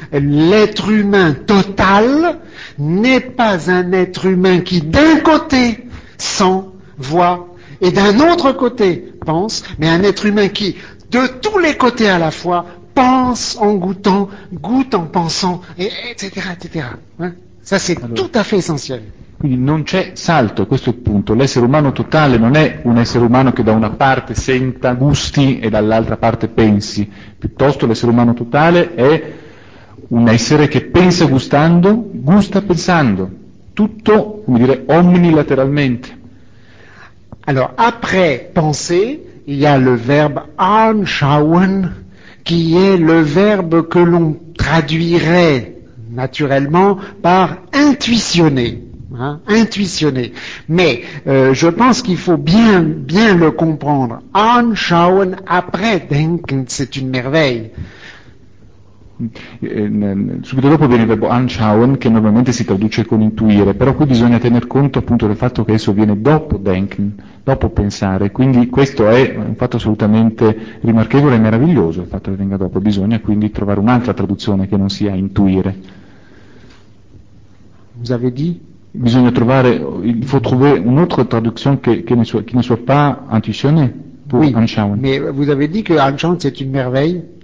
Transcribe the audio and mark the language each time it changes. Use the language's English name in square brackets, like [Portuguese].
[French] L'être humain total n'est pas un être humain qui d'un côté sent, voit, et d'un autre côté pense, mais un être humain qui, de tous les côtés à la fois, pense en goûtant, goûte en pensant, et etc. etc. Hein? Ça c'est alors... tout à fait essentiel. [Italian] Quindi non c'è salto, questo è il punto. L'essere umano totale non è un essere umano che da una parte senta, gusti e dall'altra parte pensi. Piuttosto l'essere umano totale è un essere che pensa gustando, gusta pensando. Tutto, come dire, omnilateralmente. [French] Allora, après penser, il y a le verbe anschauen, qui è le verbe che l'on traduirait naturellement par intuitionner. Hein, intuitionner. Mais je pense qu'il faut bien le comprendre. Anschauen après denken, c'est une merveille. [Italian] Subito dopo viene il verbo anschauen, che normalmente si traduce con intuire, però qui bisogna tener conto appunto del fatto che esso viene dopo denken, dopo pensare, quindi questo è un fatto assolutamente rimarchevole e meraviglioso, il fatto che venga dopo. Bisogna quindi trovare un'altra traduzione che non sia intuire. [French] Vous avez dit? [Italian] Bisogna trovare, [French] il faut trouver une autre traduction qui ne soit pas intuitionnée pour oui, [German] anschauen. [French] Mais vous avez dit que anschauen c'est une merveille.